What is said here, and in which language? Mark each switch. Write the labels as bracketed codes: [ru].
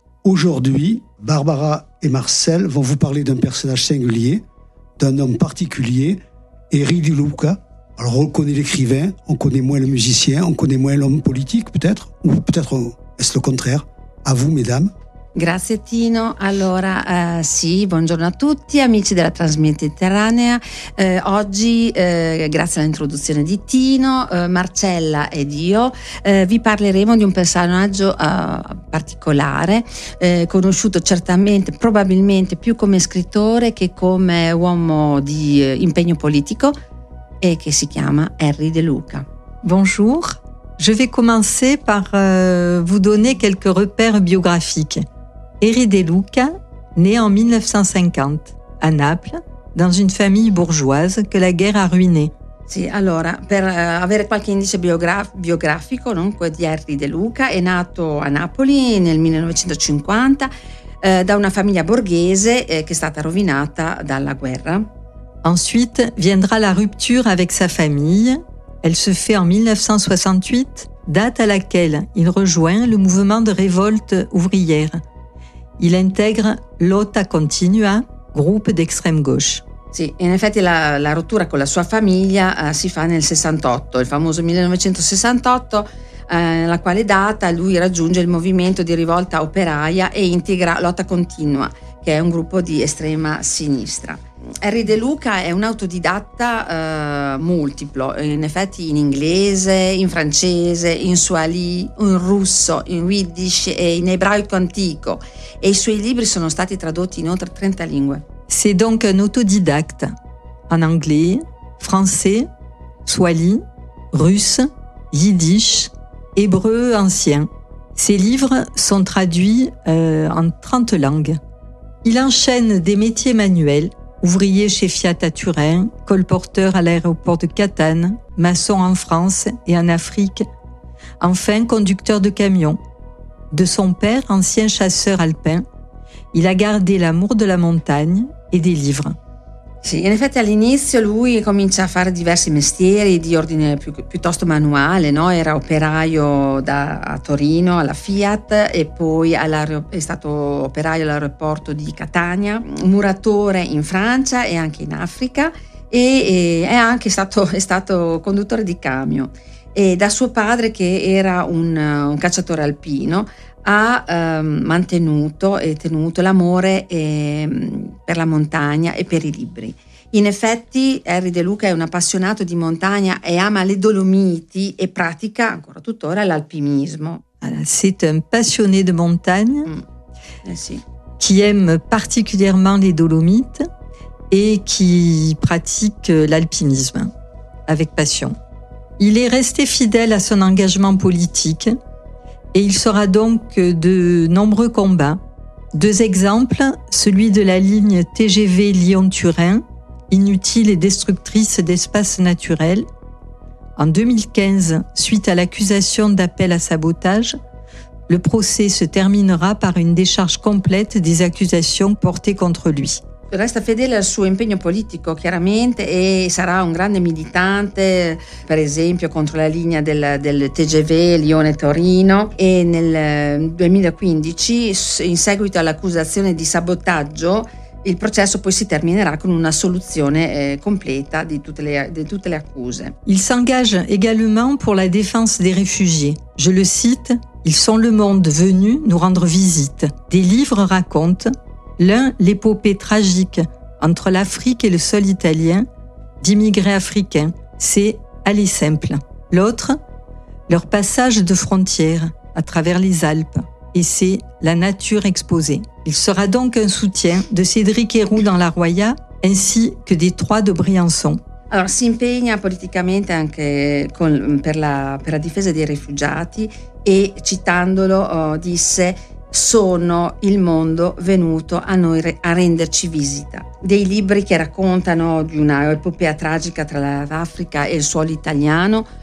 [fr] Aujourd'hui, Barbara et Marcel vont vous parler d'un personnage singulier, d'un homme particulier, Eri Di Luca. Alors, on connaît l'écrivain, on connaît moins le musicien, on connaît moins l'homme politique, peut-être, ou peut-être est-ce le contraire. À vous, mesdames. [it] Grazie Tino. Allora sì, buongiorno a tutti amici della Transmediterranea. Oggi, grazie all'introduzione di Tino, Marcella ed io, vi parleremo di un personaggio particolare, conosciuto certamente, probabilmente più come scrittore che come uomo di impegno politico, e che si chiama Eri Di Luca. [fr] Bonjour, je vais commencer par vous donner quelques repères biographiques. Eri Di Luca, né en 1950 à Naples, dans une famille bourgeoise que la guerre a ruinée. [it] Sì, allora, per avere qualche indice biografico, dunque, di Eri Di Luca, è nato a Napoli nel 1950 da una famiglia borghese che è stata rovinata dalla guerra. [fr] Ensuite viendra la rupture avec sa famille. Elle se fait en 1968, date à laquelle il rejoint le mouvement de révolte ouvrière. Il intègre Lotta Continua, groupe d'extrême gauche. [it] Sì, in effetti la rottura con la sua famiglia si fa nel 68, il famoso 1968, la quale data lui raggiunge il movimento di rivolta operaia e integra Lotta Continua, che è un gruppo di estrema sinistra. Eri Di Luca è un autodidatta multiplo, in effetti in inglese, in francese, in swahili, in russo, in yiddish e in ebraico antico, e i suoi libri sono stati tradotti in oltre 30 lingue. [fr] C'est donc un autodidacte en anglais, français, swahili, russe, yiddish, hébreu ancien. Ses livres sont traduits en 30 langues. Il enchaîne des métiers manuels. Ouvrier chez Fiat à Turin, colporteur à l'aéroport de Catane, maçon en France et en Afrique, enfin conducteur de camion. De son père, ancien chasseur alpin, il a gardé l'amour de la montagne et des livres. [it] Sì, in effetti all'inizio lui comincia a fare diversi mestieri di ordine piuttosto manuale, no? Era operaio a Torino alla Fiat e poi è stato operaio all'aeroporto di Catania, muratore in Francia e anche in Africa e è stato conduttore di camion. E da suo padre, che era un cacciatore alpino, ha mantenuto e tenuto l'amore per la montagna e per i libri. In effetti, Eri Di Luca è un appassionato di montagna e ama le Dolomiti e pratica ancora tuttora l'alpinismo. [fr] C'est un passionné de montagne qui aime particulièrement les Dolomites et qui pratique l'alpinisme avec passion. Il est resté fidèle à son engagement politique. Et il sera donc de nombreux combats. Deux exemples, celui de la ligne TGV Lyon-Turin, inutile et destructrice d'espaces naturels. En 2015, suite à l'accusation d'appel à sabotage, le procès se terminera par une décharge complète des accusations portées contre lui. [it] Resta fedele al suo impegno politico, chiaramente, e sarà un grande militante, per esempio contro la linea del TGV Lione-Torino. E nel 2015, in seguito all'accusazione di sabotaggio, il processo poi si terminerà con una soluzione completa di tutte le accuse. [fr] Il s'engage également pour la défense des réfugiés. Je le cite: ils sont le monde venu nous rendre visite. Des livres racontent l'un, l'épopée tragique entre l'Afrique et le sol italien d'immigrés africains, c'est Aller Simple. L'autre, leur passage de frontière à travers les Alpes, et c'est La nature exposée. Il sera donc un soutien de Cédric Héroux dans La Roya, ainsi que des Trois de Briançon. [it] Allora, si impegna politicamente anche per la difesa dei rifugiati, e citandolo disse: sono il mondo venuto a noi a renderci visita. Dei libri che raccontano di una epopea tragica tra l'Africa e il suolo italiano,